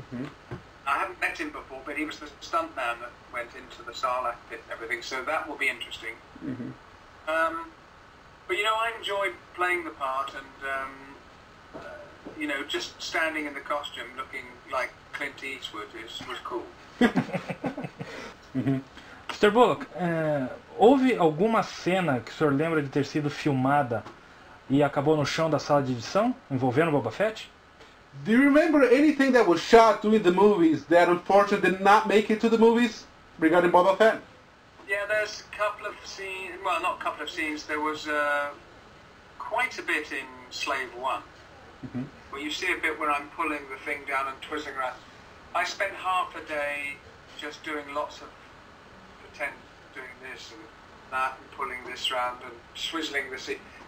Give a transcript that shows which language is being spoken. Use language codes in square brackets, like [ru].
[en] Mm-hmm. I haven't met him before, but he was the stuntman that went into the Sarlacc pit and everything, so that will be interesting. Mm-hmm. But, you know, I enjoyed playing the part and, you know, just standing in the costume looking like Clint Eastwood was cool. Mm-hmm. Mr. [pt] Bullock, houve alguma cena que o senhor lembra de ter sido filmada e acabou no chão da sala de edição, envolvendo Boba Fett? [en] Do you remember anything that was shot during the movies that unfortunately did not make it to the movies regarding Boba Fett? Yeah, there's a couple of scenes, well, not a couple of scenes, there was quite a bit in Slave One. Mm-hmm. Well, you see a bit where I'm pulling the thing down and twisting around. I spent half a day just doing lots of pretend doing this and that and pulling this round and swizzling the seat.